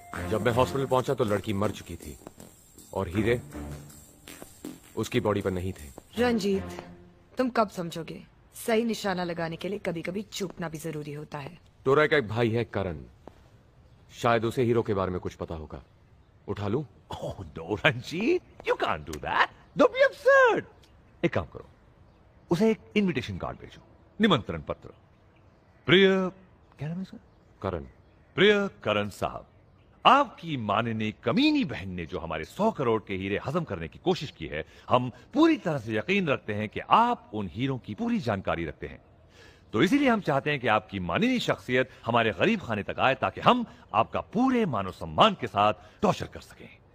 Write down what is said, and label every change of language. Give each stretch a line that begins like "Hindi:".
Hindi: जब मैं हॉस्पिटल पहुंचा तो लड़की मर चुकी थी और हीरे उसकी बॉडी पर नहीं थे। रंजीत तुम कब समझोगे, सही निशाना लगाने के लिए कभी कभी चूकना भी जरूरी होता है। तोरा का एक भाई है करण, शायद उसे हीरो के बारे में कुछ पता होगा, उठा लूं?
English: Oh, no,
Hindi: Ranjit,
English: you can't do that. Don't be absurd.
Hindi: एक काम करो, उसे एक इनविटेशन कार्ड भेजो, निमंत्रण पत्र। प्रिय क्या नाम है करण, प्रिय करण साहब, आपकी माननीय कमीनी बहन ने जो हमारे 100 करोड़ के हीरे हजम करने की कोशिश की है, हम पूरी तरह से यकीन रखते हैं कि आप उन हीरों की पूरी जानकारी रखते हैं, तो इसीलिए हम चाहते हैं कि आपकी माननीय शख्सियत हमारे गरीब खाने तक आए ताकि हम आपका पूरे मानव सम्मान के साथ टॉर्चर कर सकें।